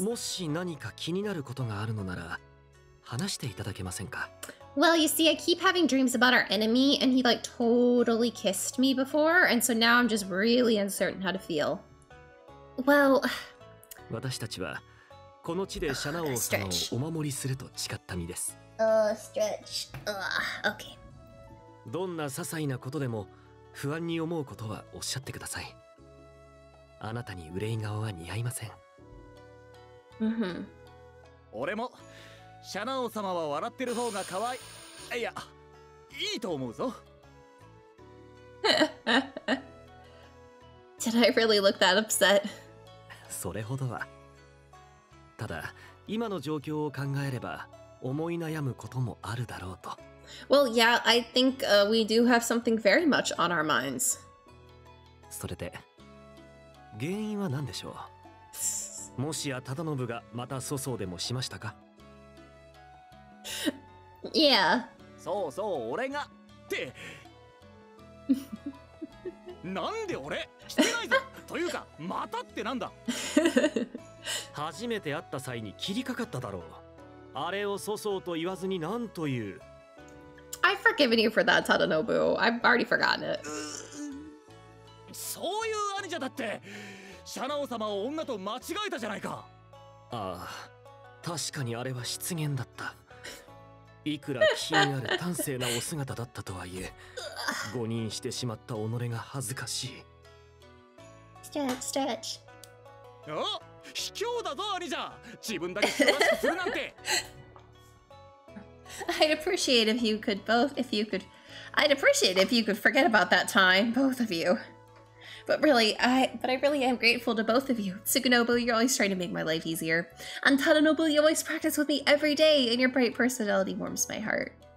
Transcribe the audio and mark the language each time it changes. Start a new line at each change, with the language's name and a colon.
Japanese: もし何か気になることがあるのなら、話していただけませんか?
English: Well, you see, I keep having dreams about our enemy, and he like totally kissed me before, and so now I'm just really uncertain how to feel. Well,
Japanese: 私たちはこの地でシャナ王様をお守りすると誓った身です。
English: Stretch. Okay.
Japanese: どんな些細なことでも不安に思うことはおっしゃってください。あなたに憂い顔は似合いません。俺もシャナ王様は笑ってる方が可愛い。いや、いいと思うぞ。
English: Did I really look that upset?
Japanese: それほどは。ただ、今の状況を考えれば、思い悩むこともあるだろうと。
English: Well, yeah, I think we do have something very much on our minds.
Japanese: それで、原因は何でしょう？もしや忠信がまた粗相でもしましたか？
English: Yeah.
Japanese: そうそう、俺がって。なんで俺してないぞというか、またってなんだ初めて会った際に切りかかっただろう。あれを粗相と言わずに何という。
English: I've forgiven you for that, Tadanobu. I've already forgotten it.
Japanese: そういう兄者だって、シャナオ様を女と間違えたじゃないか。ああ、確かにあれは失言だった。いくら気にある端正なお姿だったとはいえ、誤認してしまった己が恥ずかしい。
English: Stretch.
Japanese: あ、卑怯だぞ兄者。自分だけ素晴らしくするなんて。
English: I'd appreciate if you could both, if you could, I'd appreciate if you could forget about that time, both of you. But really, I really am grateful to both of you. Tsukunobu, you're always trying to make my life easier. And Tadanobu, you always practice with me every day, and your bright personality warms my heart.